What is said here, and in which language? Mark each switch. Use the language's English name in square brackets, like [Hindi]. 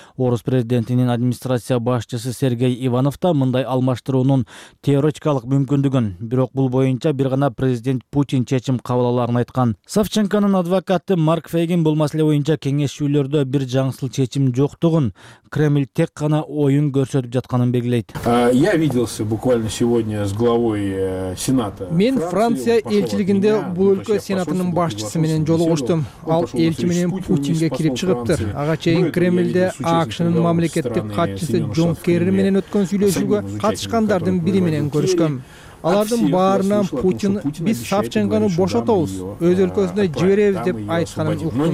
[Kyrgyz] Орус президентинин администрация башчысы Сергей Иванов да мындай алмаштыруунун теоретикалык мүмкүндүгүн, бирок бул боюнча бир гана президент Путин чечим кабыл алаарын айткан. Савченконун адвокаты Марк Фейгин бул маселе боюнча кеңешүүлөрдө бир жаңсыл чечим жоктугун, Кремль тек гана оюн көрсөтүп жатканын белгилейт. [Russian] Я виделся буквально сегодня с главой Сената. [Kyrgyz] Мен Франция элчилигинде бул өлкө сенатынын башчысы менен жолугуштум. Ал элчи менен Путинге кирип чыгыптыр. Ага чейин Кремлде АКШнын мамлекеттик катчысы Джон Керри менен өткөн сүйлөшүүгө катышкандардын бири менен көрүшкөм. Алардын баарынан Путин биз Савченкону бошотобуз, өз өлкөсүнө жиберебиз деп айтканын уктум.